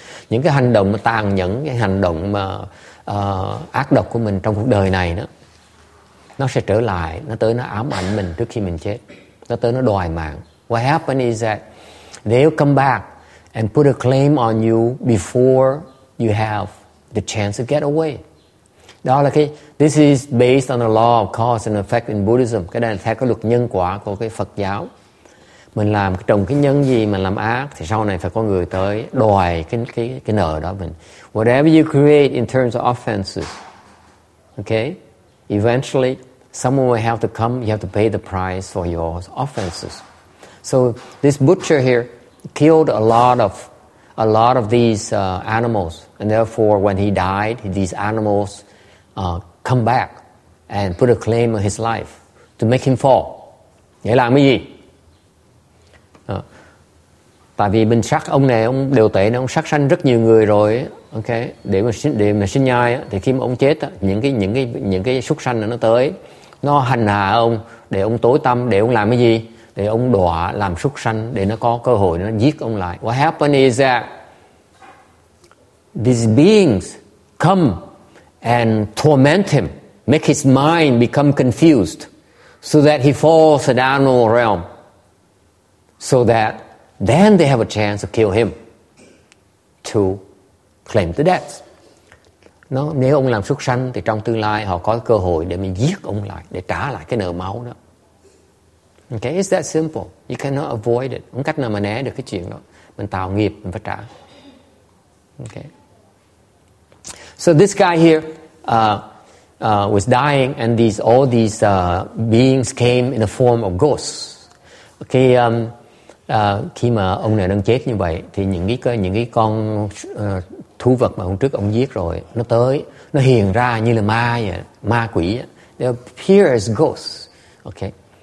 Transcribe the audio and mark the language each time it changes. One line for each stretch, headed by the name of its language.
Vietnamese: Những cái hành động tàn nhẫn, cái hành động mà ác độc của mình trong cuộc đời này đó, nó sẽ trở lại, nó tới nó ám ảnh mình trước khi mình chết. Nó tới nó đòi mạng.
English: What happens is that they'll come back and put a claim on you before you have the chance to get away.
Vietnamese: Đó là cái,
English: this is based on the law of cause and effect in Buddhism.
Vietnamese: Cái này là theo cái luật nhân quả của cái Phật giáo. Mình làm trồng cái nhân gì mà làm ác thì sau này phải có người tới đòi cái nợ đó mình.
English: Whatever you create in terms of offenses, okay, eventually someone will have to come, you have to pay the price for your offenses. So this butcher here killed a lot of these animals, and therefore when he died, these animals come back and put a claim on his life to make him fall.
Vietnamese: Để làm cái gì? Tại vì mình sát ông này, ông đều tệ này, ông sát sanh rất nhiều người rồi, ok, để mà sinh nhai thì khi mà ông chết những cái súc sanh nó tới nó hành hạ ông, để ông tối tâm, để ông làm cái gì, để ông đọa làm súc sanh, để nó có cơ hội nó giết ông lại.
English: What happened is that these beings come and torment him, make his mind become confused so that he falls down the realm, so that then they have a chance to kill him to claim the debts.
Vietnamese: Nó, nếu ông làm súc sanh thì trong tương lai họ có cơ hội để mình giết ông lại, để trả lại cái nợ máu đó.
English: Okay, it's that simple. You cannot avoid it.
Vietnamese: Không cách nào mà né được cái chuyện đó. Mình tạo nghiệp, mình phải trả.
English: Okay. So this guy here was dying, and all these beings came in the form of ghosts.
Vietnamese: Okay, khi mà ông này đang chết như vậy thì những cái con thú vật mà hôm trước ông giết rồi nó tới, nó hiện ra như là ma vậy, ma quỷ.
English: They appear as ghosts. Okay.